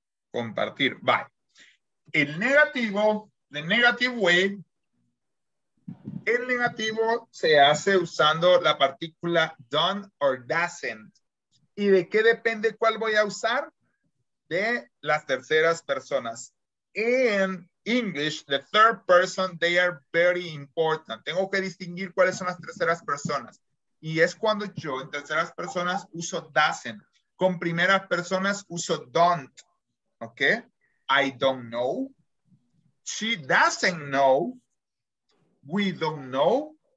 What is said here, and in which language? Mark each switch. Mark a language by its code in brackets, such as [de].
[es] Compartir, bye. El negativo, [en] the negative way, [es] el negativo se hace usando la partícula [en] done or doesn't. [es] ¿Y de qué depende cuál voy a usar? De las terceras personas. [en] In English, the third person, they are very important. [es] Tengo que distinguir cuáles son las terceras personas. Y es cuando yo en terceras personas uso doesn't. Con primeras personas uso don't. [en] Okay, I don't know. She doesn't know. We don't know.